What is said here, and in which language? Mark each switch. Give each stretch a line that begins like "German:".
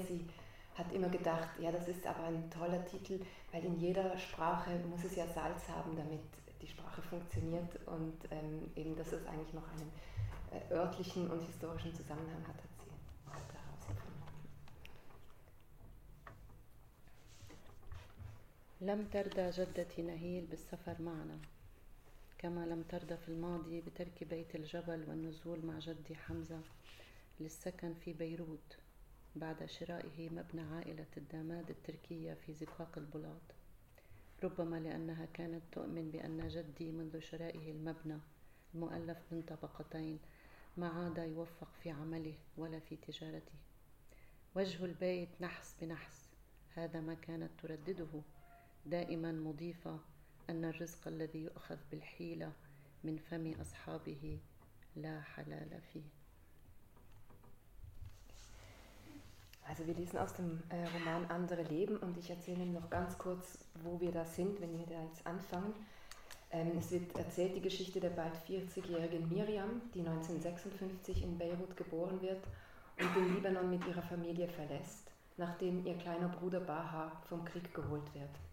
German: Sie hat immer gedacht, ja, das ist aber ein toller Titel, weil in jeder Sprache muss es ja Salz haben, damit die Sprache funktioniert. Und eben, dass es eigentlich noch einen örtlichen und historischen Zusammenhang hat, hat sie herausgefunden.
Arabic: لم ترضى جدتي نهيل بالسفر معنا كما لم ترضى في الماضي بترك بيت الجبل والنزول مع جدي حمزة للسكن في بيروت بعد شرائه مبنى عائلة الداماد التركية في زقاق البلاط. ربما لأنها كانت تؤمن بأن جدي منذ شرائه المبنى المؤلف من طبقتين ما عاد يوفق في عمله ولا في تجارته. وجه البيت نحس بنحس، هذا ما كانت تردده دائما، مضيفة أن الرزق الذي يؤخذ بالحيلة من فم أصحابه لا حلال فيه.
German: Also wir lesen aus dem Roman Andere Leben und ich erzähle Ihnen noch ganz kurz, wo wir da sind, wenn wir da jetzt anfangen. Es wird erzählt die Geschichte der bald 40-jährigen Miriam, die 1956 in Beirut geboren wird und den Libanon mit ihrer Familie verlässt, nachdem ihr kleiner Bruder Baha vom Krieg geholt wird.